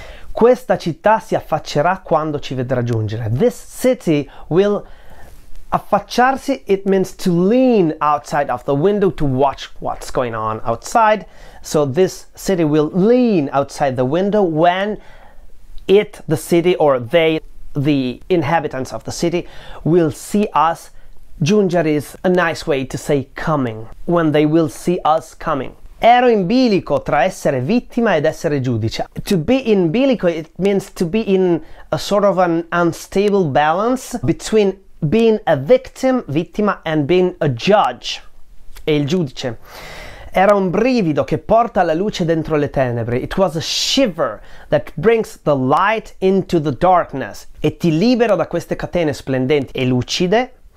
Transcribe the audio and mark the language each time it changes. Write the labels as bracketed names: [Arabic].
[Italian] Questa città si affaccerà quando ci vedrà giungere. [English] This city will affacciarsi, it means to lean outside of the window to watch what's going on outside. So this city will lean outside the window when it, the city, or they, the inhabitants of the city, will see us. Giungere is a nice way to say coming, when they will see us coming. [Italian] Ero in bilico tra essere vittima ed essere giudice. [English] To be in bilico, it means to be in a sort of an unstable balance between being a vittima, and being a judge, [Italian] e il giudice. Era un brivido che porta la luce dentro le tenebre. [English] It was a shiver that brings the light into the darkness. [Italian] E ti libera da queste catene splendenti e lucide.